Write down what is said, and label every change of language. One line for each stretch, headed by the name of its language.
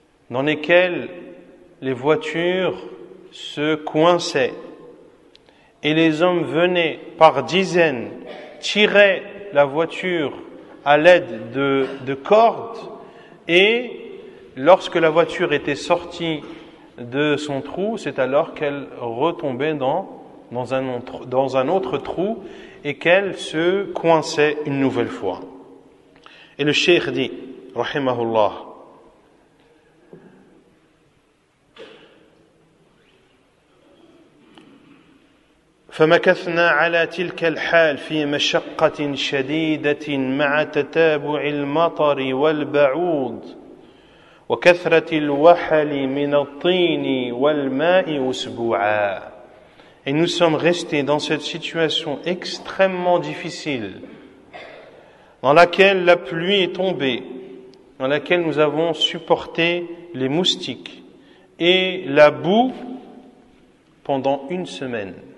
French: dans lesquels les voitures se coinçaient, et les hommes venaient par dizaines, tiraient la voiture à l'aide de cordes, et lorsque la voiture était sortie de son trou, c'est alors qu'elle retombait dans un autre trou et qu'elle se coinçait une nouvelle fois. Et le cheikh dit, rahimahullah,
Arabic: فَمَكَثْنَا عَلَى تِلْكَ الْحَالِ فِي مَشَقَّةٍ شَدِيدَةٍ مَعَ تَتَابُعِ الْمَطَرِ وَالْبَعُودِ وَكَثْرَةِ الْوَحَلِ مِنَ الطِّينِ وَالْمَاءِ أُسْبُوعًا.
French: Et nous sommes restés dans cette situation extrêmement difficile, dans laquelle la pluie est tombée, dans laquelle nous avons supporté les moustiques et la boue pendant une semaine.